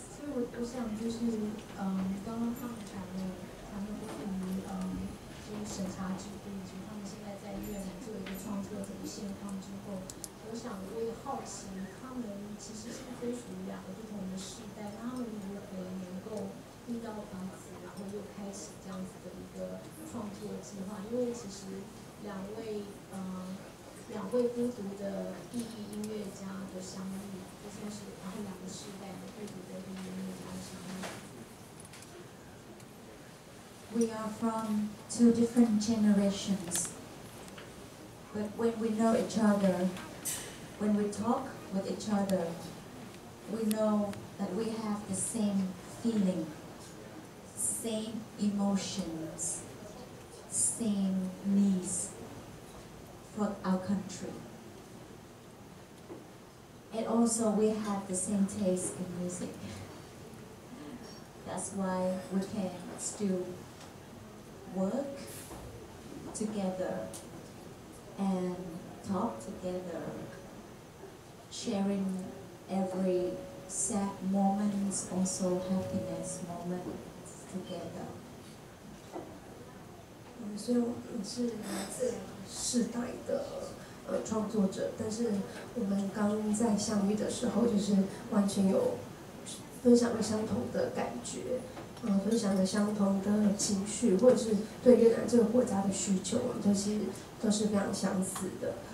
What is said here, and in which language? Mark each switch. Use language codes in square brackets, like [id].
[zh] 我想就是，刚刚访谈的他们对于，就是审查制度以及他们现在在越南做一个创作者的现况之后，我想我也好奇，他们其实是分属于两个不同的世代，他们如何能够遇到房子，然后又开始这样子的一个创作计划？因为其实两位，两位孤独的异域音乐家的相遇，就算是他们两个世代的孤独的异域音乐家的相遇。 [en] We are from two different generations, but when we know each other, when we talk with each other, we know that we have the same feeling, same emotions, same needs for our country. And also we have the same taste in music. That's why we can still work together and talk together, sharing every sad moment, also happiness moment together. [zh] 所以我们是来自世代的创作者，但是我们刚在相遇的时候就是完全有分享了相同的感觉，分享了相同的情绪，或者是对越南这个国家的需求，我们都其实都是非常相似的。